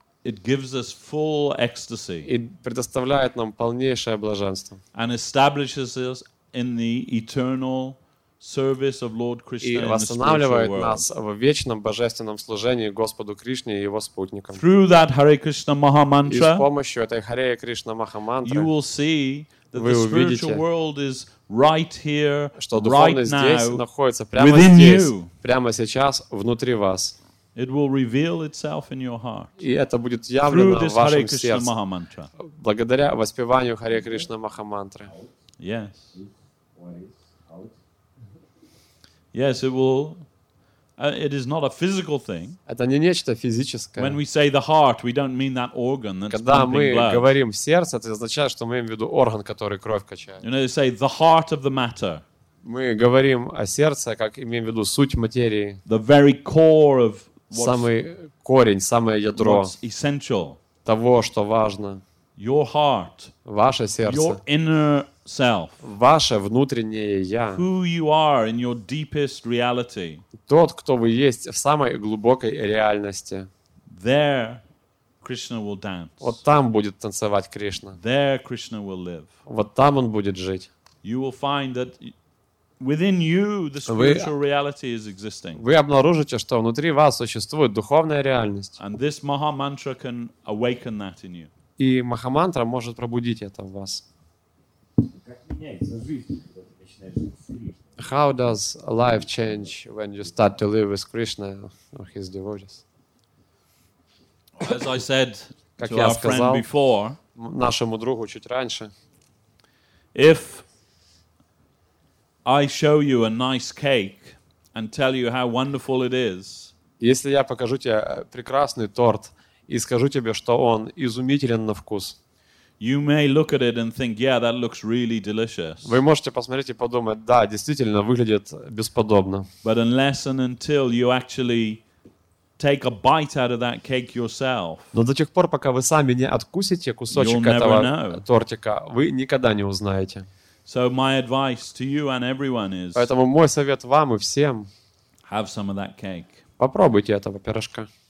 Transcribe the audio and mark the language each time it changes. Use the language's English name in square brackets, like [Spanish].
[English] It gives us full ecstasy. [Russian] И предоставляет нам полнейшее блаженство. [English] And establishes us in the eternal. Service of Lord Krishna [Russian] и восстанавливает нас в вечном божественном служении Господу Кришне и Его спутникам. [English] Through that Hare Krishna Maha Mantra, [Russian] и с помощью этой Hare Krishna Maha Mantra, [English] you will see that the spiritual world is right here, [Russian] что духовность [English] right [Russian] здесь [English] now, [Russian] находится прямо здесь, [English] you. [Russian] Прямо сейчас внутри вас. [English] It will reveal itself in your heart. [Russian] И это будет явлено [English] through [Russian] в вашем [English] Hare Krishna Maha [Russian] Mantra. Сердце. Благодаря воспеванию Hare Krishna Maha Mantra. [English] Yes. Yes, it will. It is not a physical thing. [Russian] Это не нечто физическое. [English] When we say the heart, we don't mean that organ that's pumping blood. [Russian] Когда мы говорим сердце, это означает, что мы имеем в виду орган, который кровь качает. [English] You know, they say the heart of the matter. [Russian] Мы говорим о сердце, как имеем в виду суть материи. [English] The very core of [Russian] самый корень, самое ядро. [English] What's essential. [Russian] Того, что важно. [English] Your heart. [Russian] Ваше сердце. [English] Your inner self. [Russian] Ваше внутреннее я. [English] Who you are in your deepest reality. [Russian] Тот, кто вы есть в самой глубокой реальности. [English] There Krishna will dance. [Russian] Вот там будет танцевать Кришна. [English] There Krishna will live. [Russian] Вот там он будет жить. [English] You will find that within you the spiritual reality is existing. [Russian] Вы обнаружите, что внутри вас существует духовная реальность. [English] And this Maha Mantra can awaken that in you. [Russian] И Махамантра может пробудить это в вас. Как меняется жизнь, когда ты начинаешь жить с Кришной? [English] How does life change when you start to live with Krishna or his devotees? As I said to our friend before, [Russian] нашему другу чуть раньше, [English] if I show you a nice cake and tell you how wonderful it is, [Russian] если я покажу тебе прекрасный торт и скажу тебе, что он изумителен на вкус. [English] You may look at it and think, yeah, that looks really delicious. [Russian] Вы можете посмотреть и подумать, да, действительно выглядит бесподобно. [English] But unless and until you actually take a bite out of that cake yourself. [Russian] Но до тех пор, пока вы сами не откусите кусочек этого тортика, вы никогда не узнаете. [English] So my advice to you and everyone is. [Russian] Поэтому мой совет вам и всем. [English] Have some of that cake. [Russian] Попробуйте этого пирожка.